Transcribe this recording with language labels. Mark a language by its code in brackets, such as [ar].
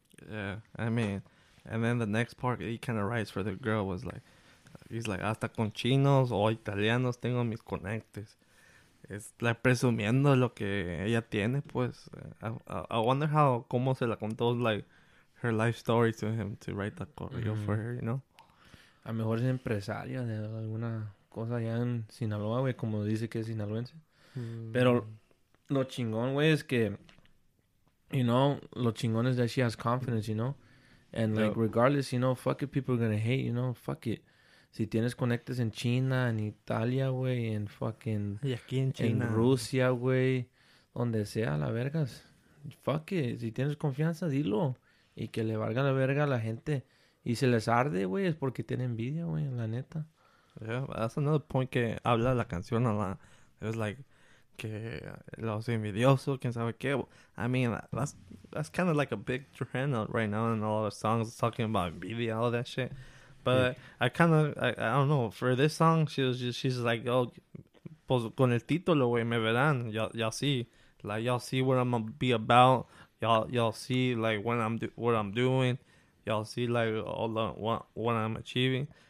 [en] Yeah, I mean, and then the next part he kind of writes for the girl was like, he's like, [es] hasta con chinos o italianos tengo mis conectes. Es la presumiendo lo que ella tiene, pues. [en] I wonder how, [es] como se la contó, [en] like, her life story to him to write the corrido for her, you know? [es] A lo mejor es empresaria de alguna cosa allá en Sinaloa, güey, como dice que es sinaloense. Pero lo chingón, güey, es que, [en] you know, [es] lo chingón es [en] that she has confidence, you know? And, like, regardless, you know, fuck it, people are gonna hate, you know, fuck it. [es] Si tienes conectes en China, en Italia, güey, en [en] fucking... [es] Y aquí en China. En Rusia, güey, donde sea, la vergas. [en] Fuck it, [es] si tienes confianza, dilo. Y que le valga la verga a la gente. Y se les arde, güey, es porque tiene envidia, güey, la neta. [en] Yeah, that's another point [es] que habla la canción a la... [en] It was like, [es] que los envidiosos, quién sabe qué. [en] I mean, that's kind of like a big trend right now in all the songs talking about envidia, all that shit. But yeah. I don't know, for this song, she's like, oh, [es] pues con el título, güey, me verán, [en] y'all see. Like, y'all see what I'm gonna be about, y'all see, like, what I'm doing, y'all see, like, all the, what I'm achieving.